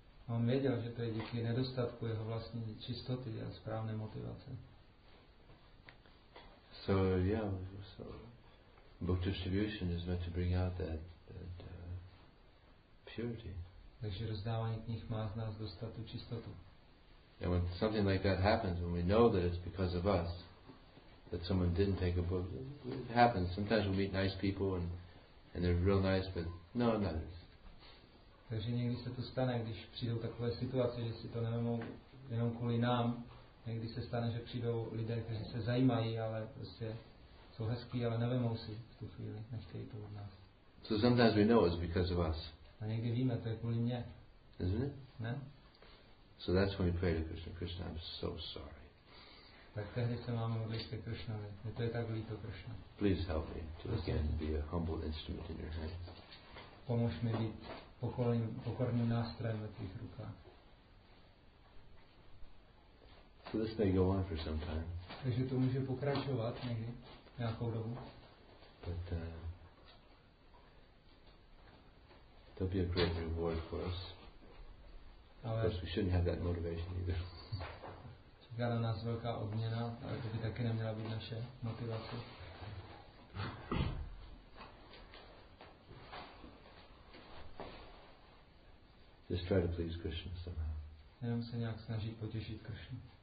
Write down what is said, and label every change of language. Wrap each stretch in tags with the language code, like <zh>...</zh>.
<cs>On věděl, že to je díky nedostatku jeho vlastní čistoty a správné motivace.</cs> <en>So yeah, so book distribution is meant to bring out that purity.</en> <cs>Takže rozdávání knih má z nás dostat tu čistotu.</cs> <en>And when something like that happens, when we know that it's because of us, that someone didn't take a book, it happens. Sometimes we meet nice people and they're real nice, but no, not us.</en> <cs>Takže někdy se to stane, když přijdou takové situace, že si to nevemou jenom kvůli nám. Někdy se stane, že přijdou lidé, kteří se zajímají, ale prostě jsou hezký, ale nevemou si v tu chvíli, nechtějí to od nás.</cs> <en>So sometimes we know it's because of us.</en> <cs>A někdy víme, to je kvůli mě.</cs> <en>Isn't it?</en> <cs>Ne?</cs> <en>So that's when we pray to Krishna, Krishna, I'm so sorry.</en> <cs>Tak tehdy se máme modlit ke Krishnovi, mě to je tak líto, Krishna.</cs> <en>Please help me to again be a humble instrument in your hands.</en> <cs>Pomož mi být pokorným nástrojem ve tvých rukách.</cs> <en>So this may go on for some time.</en> <cs>Takže to může pokračovat někdy, nějakou dobu.</cs> <en>But there'll be a great reward for us.</en> <cs>Ale</cs> <en>of course we shouldn't have that motivation either.</en> <cs>Čeká na nás velká odměna, ale to by taky neměla být naše motivace.</cs> <en>Just try to please Krishna somehow.</en> <cs>Jenom se nějak snažit potěšit Krishnu.</cs>